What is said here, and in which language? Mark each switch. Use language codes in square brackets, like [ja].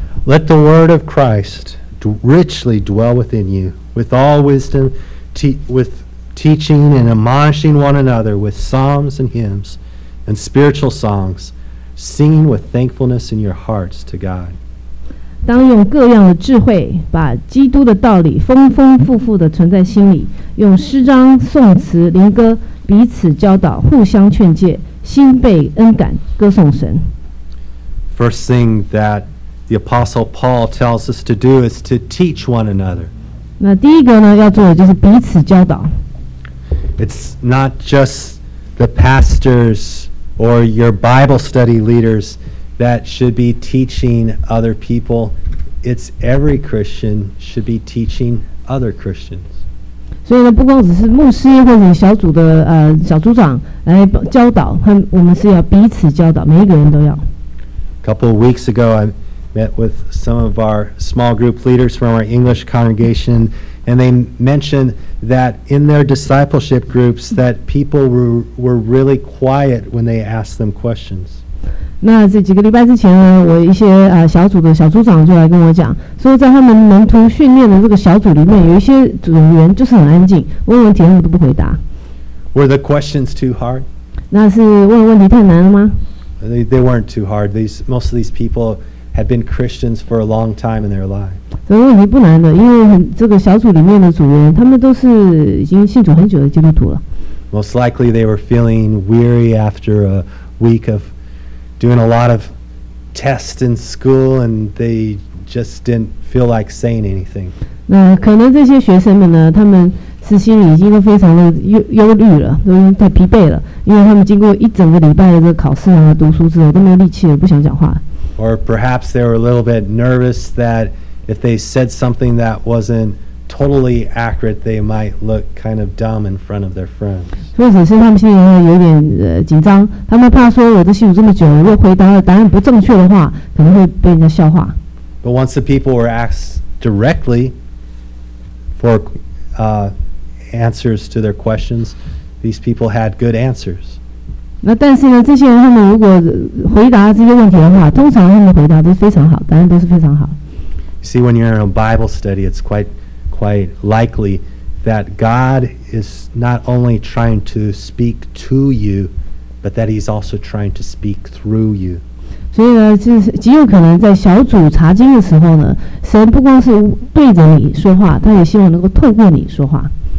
[en] Let the word of Christ richly dwell within you, with all wisdom, with teaching and admonishing one another with psalms and hymns and spiritual songs, singing with thankfulness in your hearts to God. [zh] 当用各样的智慧把基督的道理丰丰富富的存在心里，用诗章、颂词、灵歌彼此教导，互相劝诫，心被恩感，歌颂神。 [en] First thing that the Apostle Paul tells us to do is to teach one another. [zh] 那第一个呢，要做的就是彼此教导。 [en] It's not just the pastors or your Bible study leaders. That should be teaching other people. It's every Christian should be teaching other Christians. [zh] 所以呢，不光只是牧师或者小组的小组长来教导，我们是要彼此教导，每一个人都要。 [en] Couple of weeks ago, I met with some of our small group leaders from our English congregation, and they mentioned that in their discipleship groups, that people were really quiet when they asked them questions. [zh] 那这几个礼拜之前呢，我一些小组的小组长就来跟我讲，说在他们门徒训练的这个小组里面，有一些组员就是很安静，问问题他们都不回答。 [en] Were the questions too hard? [zh] 那是问问题太难了吗？ [en] They weren't too hard. Most of these people had been Christians for a long time in their life. [zh] 所以问题不难的，因为这个小组里面的组员，他们都是已经信主很久的基督徒了。 [en] Most likely they were feeling weary after a week of. Doing a lot of tests in school, and they just didn't feel like saying anything. [zh] 那可能这些学生们呢，他们是心里已经都非常的忧虑了，都已经太疲惫了，因为他们经过一整个礼拜的这个考试啊、读书之后，都没有力气了，不想讲话。 [en] Or perhaps they were a little bit nervous that if they said something that wasn't totally accurate, they might look kind of dumb in front of their friends. [zh] 或者是他们心里面有点紧张，他们怕说我都信主这么久了，如果回答的答案不正确的话，可能会被人家笑话。 [en] But once the people were asked directly for answers to their questions, these people had good answers. [zh] 那但是呢，这些人他们如果回答这些问题的话，通常他们回答都是非常好，答案都是非常好。 [en] See, when you're in a Bible study, it's quite likely. That God is not only trying to speak to you, but that He's also trying to speak through you. [zh] 所以呢，就是极有可能在小组查经的时候呢，神不光是对着你说话，他也希望能够透过你说话。